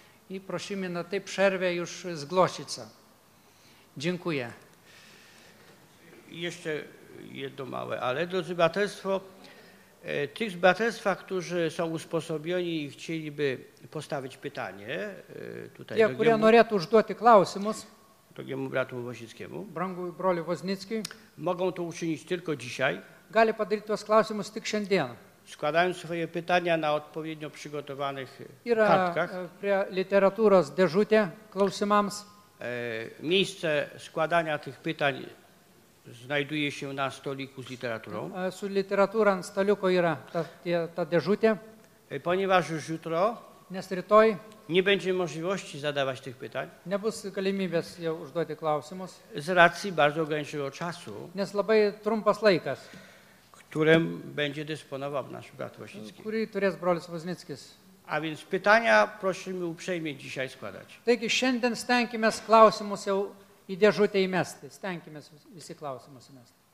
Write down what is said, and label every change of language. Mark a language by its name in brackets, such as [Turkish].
[Polish] I prosimy na tej przerwie już zgłosić się. Dziękuję. Jeszcze jedno małe, ale drodzy braterstwo, tych z braterstwa, którzy są usposobieni i chcieliby postawić pytanie tutaj. [Lithuanian] Ja, kurie norėtų užduoti klausimus. [Polish] Drogiemu bratu Woźnickiemu. [Lithuanian] Brangui broliu Woźnickiemu. [Polish] Mogą to uczynić tylko dzisiaj. [Lithuanian] Gali padaryti tuos klausimus tik šiandien. [Polish] Składając swoje pytania na odpowiednio przygotowanych kartkach. [Lithuanian] Yra prie literatūros dėžutė klausimams. [Polish] Miejsce składania tych pytań znajduje się na stoliku z literaturą. [Lithuanian] Su literatūra ant staliuko yra ta dėžutė. [Polish] Ponieważ już jutro. [Lithuanian] Nes rytoj. [Polish] Nie będzie możliwości zadawać tych pytań. [Lithuanian] Nie bus galimybės jau užduoti klausimus. [Polish] Z racji bardzo ograniczonego czasu. [Lithuanian] Nes labai trumpas laikas. [Polish] Którym będzie dysponował nasz brat Woźnicki. [Lithuanian] Kurį turės brolis Woźnickis. [Polish] A więc pytania prosimy uprzejmie dzisiaj składać. [Lithuanian] Taigi šiandien stenkimės klausimus jau į dėžutę įmesti. Stenkimės visi klausimus įmesti.